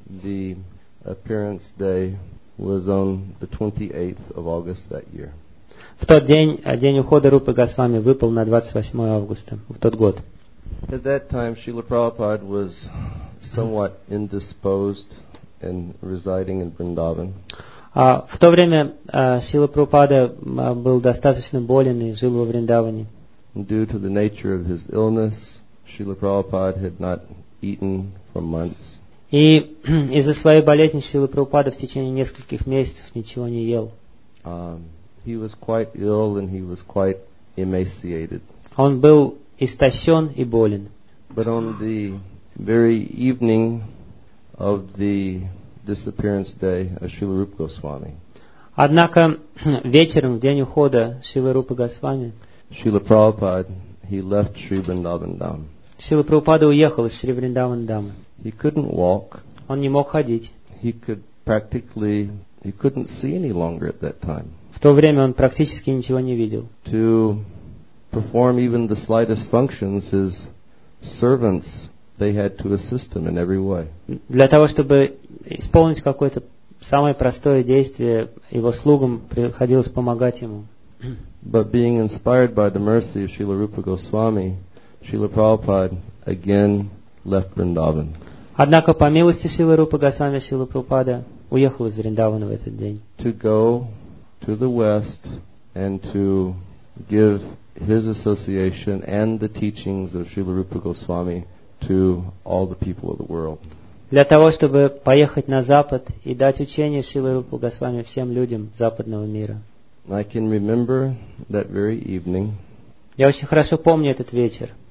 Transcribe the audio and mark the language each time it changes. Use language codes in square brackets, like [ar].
[en] The appearance day was on the 28th of August that year. [ru] В тот день ухода Рупы Госвами выпал на 28 августа в тот год. [en] At that time, Srila Prabhupada was somewhat indisposed and residing in Vrindavan. [ru] В то время Srila Prabhupada был достаточно болен и жил во Вриндаване. [en] Due to the nature of his illness, Srila Prabhupada had not eaten for months. [ru] И из-за своей болезни Шрила Прабхупада в течение нескольких месяцев ничего не ел. [en] He was quite ill and he was quite emaciated. [ru] Он был истощен и болен. [en] But on the very evening of the disappearance day of Srila Rupa Goswami. [ru] Однако вечером, в день ухода Шрилы Рупы Госвами, [en] Srila Prabhupada, he left Sri Vrindavan Dham. [ru] Шрила Прабхупада уехал из Шри Вриндаван Дамы. [en] He couldn't walk. [ru] Он не мог ходить. [en] He couldn't see any longer at that time. [ru] В то время он практически ничего не видел. [en] To perform even the slightest functions, his servants, they had to assist him in every way. [ru] Для того, чтобы исполнить какое-то самое простое действие, его слугам приходилось помогать ему. [en] But being inspired by the mercy of Srila Rupa Goswami, Srila Prabhupada again left Vrindavan. [ru] Однако по милости Шрилы Рупы Госвами Шрила Прабхупада уехал из Вриндавана в этот день. [en] To go to the west and to give his association and the teachings of Srila Rupa Goswami to all the people of the world. [ru] Для того, чтобы поехать на запад и дать учение Шрилы Рупы Госвами всем людям западного мира. [en] I can remember that very evening. [ru] Я очень хорошо помню этот вечер.